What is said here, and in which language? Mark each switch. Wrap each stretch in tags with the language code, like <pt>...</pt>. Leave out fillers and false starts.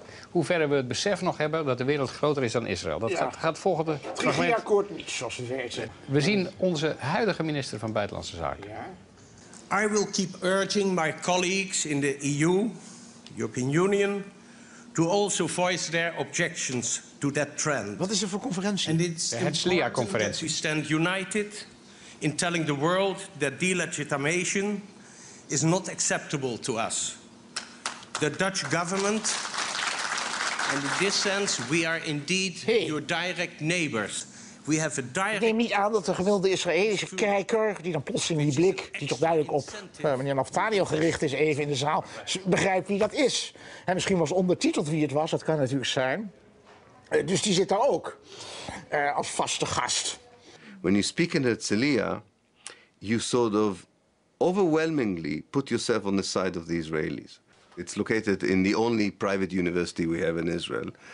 <nl>Hoeverre we het besef nog hebben dat de wereld groter is dan Israël. Dat gaat volgende fragment. Het regeerakkoord niet, zoals ze weten. We zien onze huidige minister van Buitenlandse Zaken. Ja.</nl> <en>I will keep urging my colleagues in the EU, European Union, to also voice their objections to that trend.</en> <nl>Wat is er voor conferentie? De Hetzlia-conferentie.</nl> <en>We stand united in telling the world that delegitimation is not acceptable to us. The Dutch government. And in this sense, we are indeed your direct neighbors. We have a direct.</en> <nl>Ik neem niet aan dat de gewilde Israëlische kijker, die dan plotseling die blik, die toch duidelijk op meneer Naftalio gericht is, even in de zaal, begrijpt wie dat is. En misschien was ondertiteld wie het was, dat kan natuurlijk zijn. Dus die zit daar ook als vaste gast.</nl> <en>When you speak in Herzliya, you sort of overwhelmingly put yourself on the side of the Israelis. It's located in the only private university we have in Israel.</en>